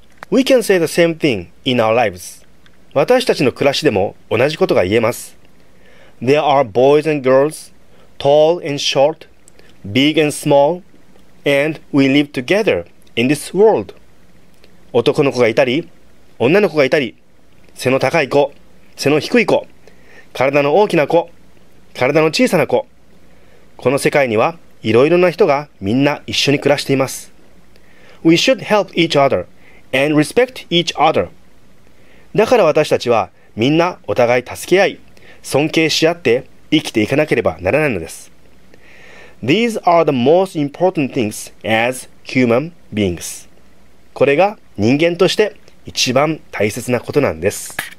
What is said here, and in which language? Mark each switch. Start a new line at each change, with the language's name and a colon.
English: We can say the same thing in our lives.
Japanese: 私たちの暮らしでも同じことが言えます。
English: There are boys and girls, tall and short, big and small, and we live together in this world.
Japanese: 男の子がいたり、女の子がいたり、背の高い子、背の低い子、体の大きな子、体の小さな子、この世界にはいろいろな人がみんな一緒に暮らしています。
English: We should help each other and respect each other.
Japanese: だから私たちはみんなお互い助け合い、尊敬し合って生きていかなければならないのです。
English: These are the most important things as human beings.
Japanese: これが人間として一番大切なことなんです。